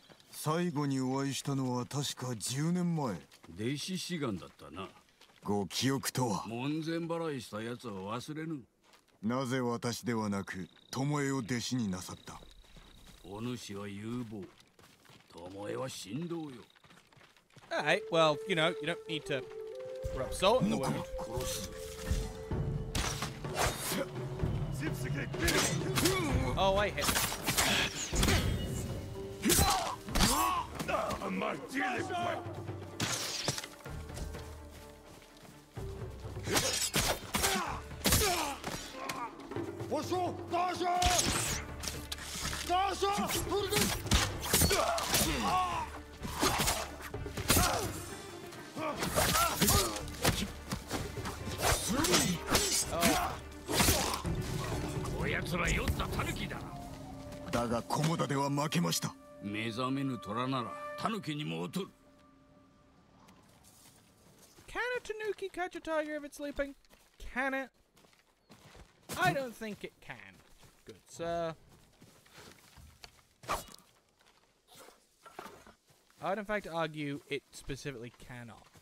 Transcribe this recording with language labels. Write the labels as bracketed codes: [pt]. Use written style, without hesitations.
[ja] 最後にお会いしたのは確か10年前。弟子志願だったな。ご記憶とは。門前払いしたやつは忘れぬ。なぜ私ではなく巴を弟子になさった。お主は有望。巴は神道よ。はい、 [en] well, you know, you don't need to rub salt in the wound. [ja] 殺す。 [en] Oh, I hit him. Oh, my dear. [ja] だが駒田では負けました。目覚めぬ虎なら狸にも劣る。 [en] Can a tanuki catch a tiger if it's sleeping? Can it? I don't think it can. Good sir. I would in fact argue it specifically cannot.